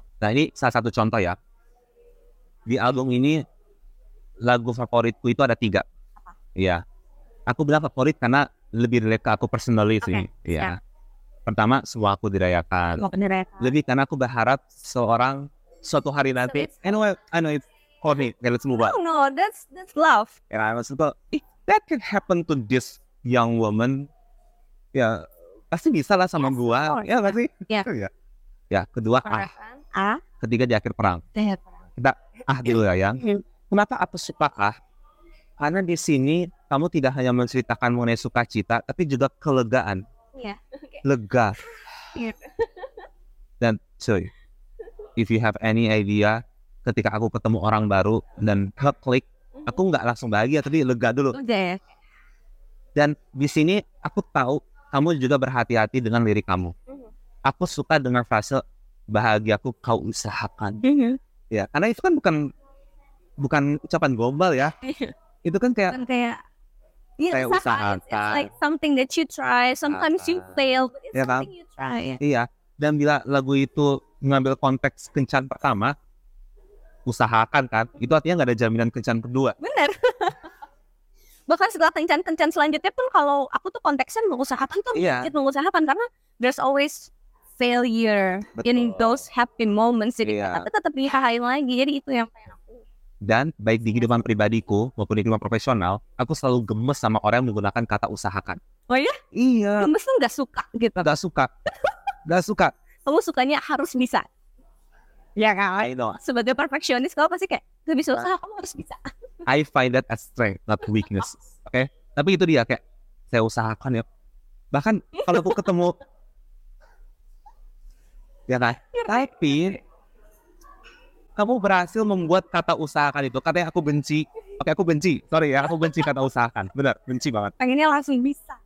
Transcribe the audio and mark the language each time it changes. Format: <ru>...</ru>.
<id>Nah, ini salah satu contoh ya, di album ini lagu favoritku itu ada 3. Ya, aku bilang favorit karena lebih relate ke aku personally sih. Ya. Pertama, Semua Aku Dirayakan. Lebih karena aku berharap suatu hari nanti.</id> <en>I know it's corny,</en> <id>kayak</id> <en>let's move on. No, that's love. And I was like, that can happen to this young woman.</en> <id>Ya, pasti bisa lah sama gua. Ya, pasti. Ya, kedua ketiga di akhir perang. Kita dulu ya, yang kenapa aku suka Karena di sini kamu tidak hanya menceritakan mengenai sukacita, tapi juga kelegaan. Lega. Dan cuy, if you have any idea, ketika aku ketemu orang baru dan klik, aku nggak langsung bahagia, tapi lega dulu. Dan di sini aku tahu kamu juga berhati-hati dengan lirik kamu. Aku suka dengan frase bahagiaku kau usahakan. Ya, karena itu kan bukan ucapan gombal ya. Itu kan kayak usahakan.</id> <en>It's like something that you try. Sometimes you fail, but it's something you try.</en> <id>Iya. Dan bila lagu itu mengambil konteks kencan pertama, usahakan kan, itu artinya gak ada jaminan kencan kedua. Bener. Bahkan setelah kencan-kencan selanjutnya pun, kalau aku tuh konteksnya mengusahakan tuh sedikit mengusahakan, karena</id> <en>there's always failure.</en> <id>Betul.</id> <en>In those happy moments.</en> <id>Jadi kita tetap dihahain lagi. Jadi itu yang pengen. Dan baik di kehidupan pribadiku maupun di kehidupan profesional, aku selalu gemes sama orang yang menggunakan kata usahakan. Oh ya? Iya. Gemes tuh gak suka gitu. Gak suka. Kamu sukanya harus bisa. Ya kan?</id> <en>I know.</en> <id>Sebagai perfeksionis, kamu pasti kayak gak bisa usaha, kamu harus bisa.</id> <en>I find that as strength, not weakness.</en> <id>Okay? Tapi itu dia, kayak saya usahakan ya. Bahkan kalau aku ketemu ya kan? Tapi kamu berhasil membuat kata usahakan itu, katanya aku benci. Oke, aku benci. Sorry ya, aku benci kata usahakan. Benar, benci banget. Pengennya langsung bisa.</id>